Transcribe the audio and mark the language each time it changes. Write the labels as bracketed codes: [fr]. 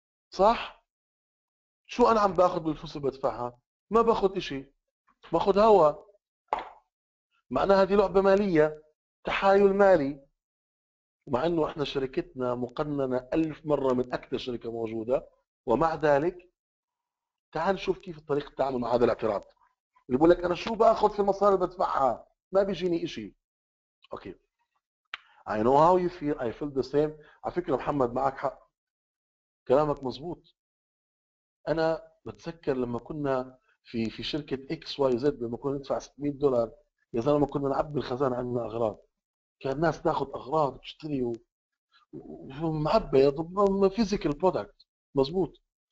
[ar] صح؟ شو انا عم باخذ بالفلوس اللي بدفعها؟ ما باخذ اشي، باخذ هوا، معناها هذه لعبة مالية، تحايل مالي، مع انه احنا شركتنا مقننة 1000 مرة من اكثر شركة موجودة، ومع ذلك تعال نشوف كيف طريقة التعامل مع هذا الاعتراض. اللي بقول لك انا شو باخذ في المصاري اللي بدفعها؟ ما بيجيني اشي. اوكي. [en] I know how you feel, I feel the same. [ar] على فكرة محمد معك حق. كلامك مزبوط. انا بتذكر لما كنا في شركة XYZ لما كنا ندفع $600، يا زلمة كنا نعبي الخزانة عندنا اغراض. كان الناس تاخذ اغراض تشتري ومعبى يا طب فيزيكال برودكت مزبوط.